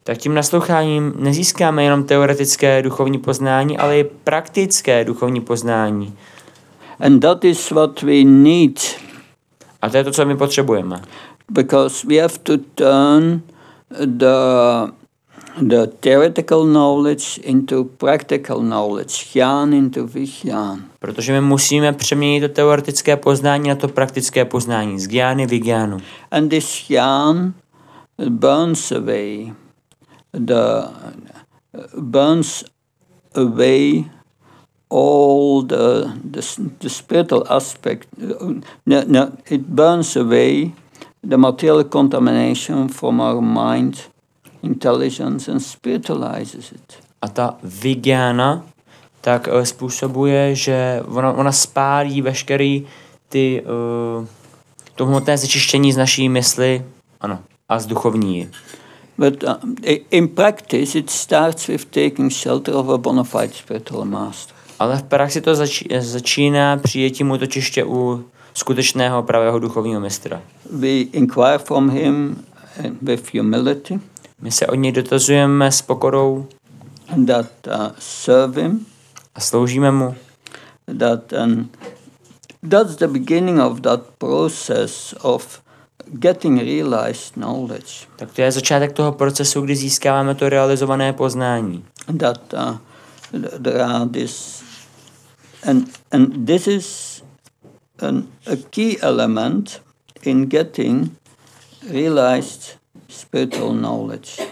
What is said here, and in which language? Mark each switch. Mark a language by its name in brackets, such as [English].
[Czech] Tak tím nasloucháním nezískáme jenom teoretické duchovní poznání, ale i praktické duchovní poznání. [English] And that is what we need. [Czech] A to je to, co my potřebujeme. [English] Because we have to turn the theoretical knowledge into practical knowledge, jnana into vijnana. [Czech] Protože my musíme přeměnit to teoretické poznání na to praktické poznání, z jnany vijnanu. [English] And this jnana burns away all the spiritual aspect. No, it burns away the material contamination from our mind. Intelligence and spiritualizes it. [Czech] A ta vijnana tak způsobuje, že ona spálí veškerý ty to hmotné znečištění z naší mysli, ano, a z duchovní. [English] But in practice it starts with taking shelter of a bona fide spiritual master. [Czech] Ale v praxi to začíná přijetím útočiště u skutečného pravého duchovního mistra. [English] We inquire from him with humility. [Czech] My se od něj dotazujeme s pokorou. [English] That serve him. [Czech] A sloužíme mu. [English] That that's the beginning of that process of getting realized knowledge. [Czech] Tak to je začátek toho procesu, kdy získáváme to realizované poznání. [English] That there are this and this is a key element in getting realized spiritual knowledge.